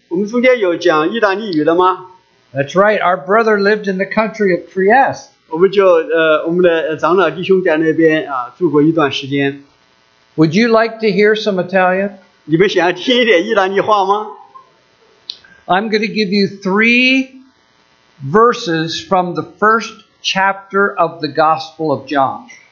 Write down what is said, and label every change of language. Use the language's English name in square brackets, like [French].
[Chinese] 我们中间有讲意大利语的吗? [English] That's right. Our brother lived in the country of Trieste. [Chinese] 我们的长老弟兄在那边住过一段时间。 [English] Would you like to hear some Italian? [Chinese] 你们想要听一点意大利话吗? [English] I'm going to give you three verses from the first chapter of the Gospel of John.